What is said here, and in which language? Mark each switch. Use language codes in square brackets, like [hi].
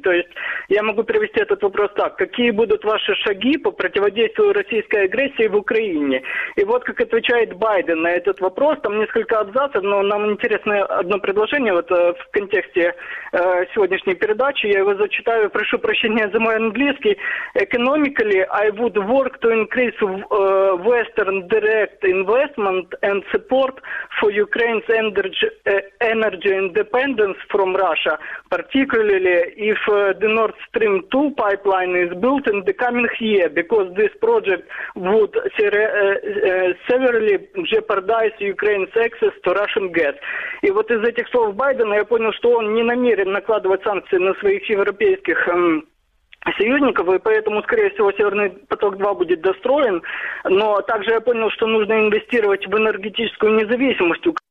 [ru] То есть я могу перевести этот вопрос так: «Какие будут ваши шаги по противодействию российской агрессии в Украине?» И вот как отвечает Байден на этот вопрос. Там несколько абзацев, но нам интересно одно предложение вот в контексте сегодняшней передачи. Я его зачитаю. Прошу прощения за мой английский. [en] «Economically, I would work to increase Western direct investment and support for Ukraine's energy independence from Russia, particularly if the Nord Stream 2 pipeline is built in the coming year, because this project would severely jeopardize Ukraine's access to Russian gas». [ru] И вот из этих слов Байдена я понял, что он не намерен накладывать санкции на своих европейских союзников, и поэтому, скорее всего, «Северный поток-2» будет достроен. Но также я понял, что нужно инвестировать в энергетическую независимость.